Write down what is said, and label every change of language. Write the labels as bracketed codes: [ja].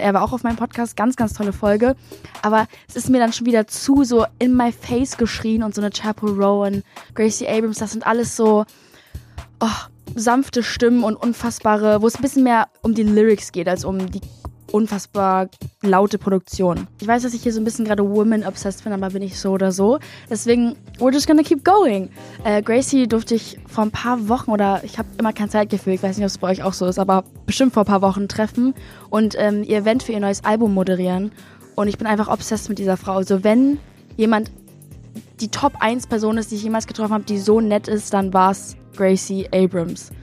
[de] Er war auch auf meinem Podcast, ganz, ganz tolle Folge. Aber es ist mir dann schon wieder zu so [en] in my face [de] geschrien und so eine Chappell Roan, Gracie Abrams, das sind alles so... Oh, sanfte Stimmen und unfassbare, wo es ein bisschen mehr um die Lyrics geht, als um die unfassbar laute Produktion. Ich weiß, dass ich hier so ein bisschen gerade Woman-obsessed bin, aber bin ich so oder so. Deswegen, [en] we're just gonna keep going. [de] Gracie durfte ich vor ein paar Wochen, oder ich habe immer kein Zeitgefühl, ich weiß nicht, ob es bei euch auch so ist, aber bestimmt vor ein paar Wochen treffen und ihr Event für ihr neues Album moderieren. Und ich bin einfach obsessed mit dieser Frau. Also wenn jemand die Top-1-Person ist, die ich jemals getroffen habe, die so nett ist, dann war es Gracie Abrams.